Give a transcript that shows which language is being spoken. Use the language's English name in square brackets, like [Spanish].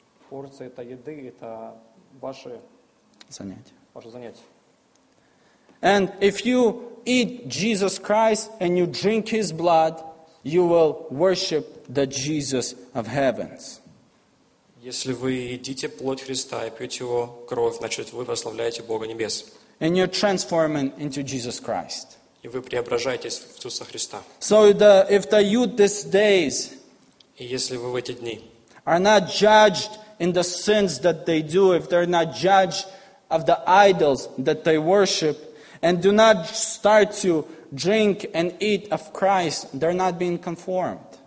[Russian] Порция это еды, это ваше занятие. [English] And if you eat Jesus Christ and you drink His blood, you will worship the Jesus of heavens. [Russian] Если вы едите плоть Христа и пьете Его кровь, значит, вы прославляете Бога Небес. [English] And you're transforming into Jesus Christ. [Russian] И вы преображаетесь в Иисуса Христа. [English] So if the youth these days, [Russian] и если вы в эти дни, [English] are not judged in the sins that they do, if they're not judged of the idols that they worship, and do not start to drink and eat of Christ, they're not being conformed.